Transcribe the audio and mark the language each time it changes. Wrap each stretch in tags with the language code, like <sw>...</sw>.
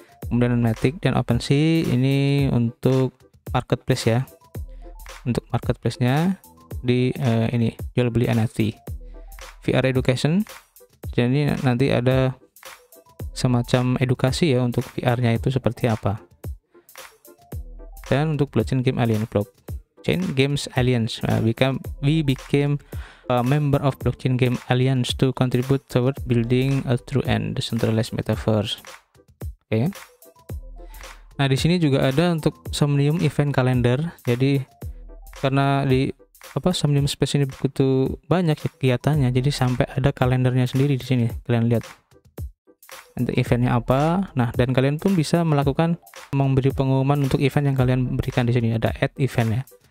<id>Kemudian Matic dan OpenSea ini untuk marketplace ya. Untuk marketplace-nya di ini jual beli NFT. VR Education. Jadi nanti ada semacam edukasi ya untuk VR-nya itu seperti apa. Dan untuk blockchain game</id> <en>Alien Blockchain Games Alliance, we became a member of Blockchain Game Alliance to contribute toward building a true and decentralized metaverse. Oke.</en> <id>Nah, di sini juga ada untuk Somnium Event Calendar. Jadi karena di Somnium Space ini begitu banyak kegiatannya, jadi sampai ada kalendernya sendiri di sini. Kalian lihat untuk eventnya apa. Nah, dan kalian pun bisa melakukan memberi pengumuman untuk event yang kalian berikan di sini, ada add event ya.</id>